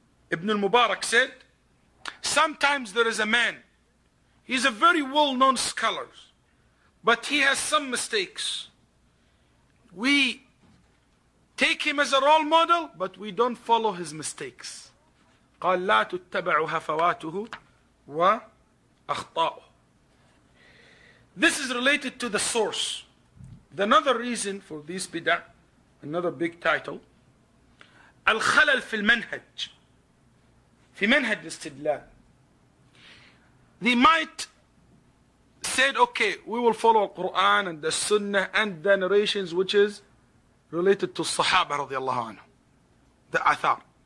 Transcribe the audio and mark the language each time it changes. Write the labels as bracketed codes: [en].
[en] Ibn al-Mubarak said, sometimes there is a man, he's a very well-known scholar, but he has some mistakes. We take him as a role model, but we don't follow his mistakes. [ar] قال لا تتبع هفواته وأخطاؤه. [en] This is related to the source. Another reason for this bid'ah, another big title, Al-Khalal fil Manhaj. Fi Manhaj Istidlal. They might say, okay, we will follow Al-Quran and the Sunnah and the narrations which is related to Sahaba radiallahu anhu, the Athar.